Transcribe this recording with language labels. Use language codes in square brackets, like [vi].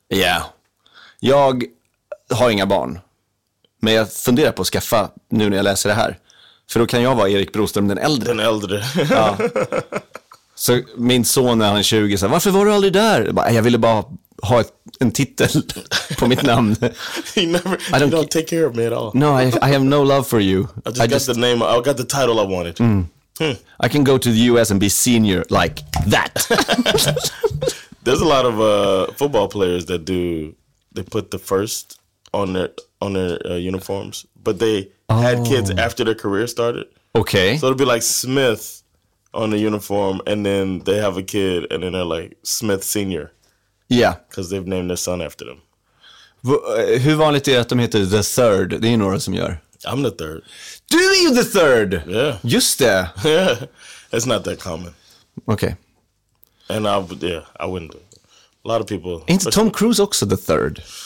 [sv] Ja. Yeah. Jag har inga barn. Men jag funderar på att skaffa nu när jag läser det här. För då kan jag vara Erik Broström den äldre. Den äldre. Ja. Så min son när han är 20 säger, varför var du aldrig där? Jag ville bara ha en titel på mitt namn. [en] You don't take care of me at all. No, I have no love for you. I got the title I wanted. Mm. I can go to the US and be senior like that. There's a lot of football players that do, they put the first on their uniforms, but they had kids after their career started. Okay. So it'll be like Smith on the uniform, and then they have a kid, and then they're like Smith Senior. Yeah. Because they've named their son after them. [sv] Hur vanligt är det att de heter The Third? Det är några som gör. [en] I'm the third. Do you the third? Yeah. [sv] Just det. [en] Yeah. It's not that common. Okay. And I wouldn't do it. A lot of people. Ain't Tom Cruise also the third?